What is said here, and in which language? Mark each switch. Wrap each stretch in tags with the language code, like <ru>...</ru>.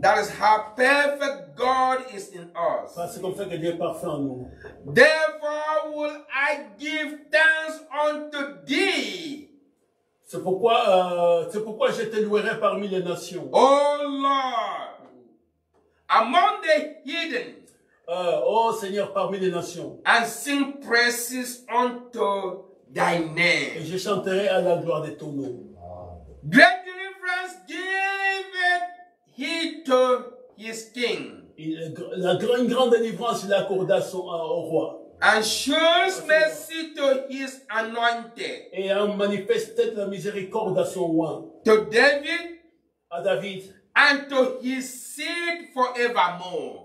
<en>That is how perfect God is in us.</en> <fr>C'est comme ça que Dieu est parfait en nous.</fr> <en>Therefore will I give thanks unto thee.</en> <fr>C'est pourquoi je te louerai parmi les nations.</fr> <en>Oh Lord, among the heathen.</en> <fr>Oh Seigneur, parmi les nations.</fr> <en>And sing praises unto thy name.</en> <fr>Et je chanterai à la gloire de ton nom.</fr> <en>Great deliverance giveth he to his king.</en> <fr>Une grande délivrance il accorda au roi.</fr> <en>And shows mercy to his anointed.</en> <fr>Et en manifeste la miséricorde à son roi.</fr> <en>To David.</en> <fr>À David.</fr> <en>And to his seed forevermore.</en>